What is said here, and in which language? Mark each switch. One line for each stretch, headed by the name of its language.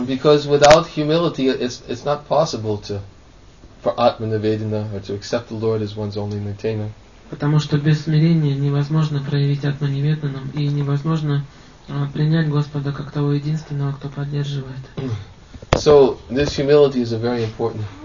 English: Because without humility, it's not possible to for Atmanivedana or to accept the Lord as one's only maintainer.
Russian: Потому что без смирения невозможно проявить Атманиведану и невозможно принять Господа как того единственного, кто поддерживает.
English: So this humility is a very important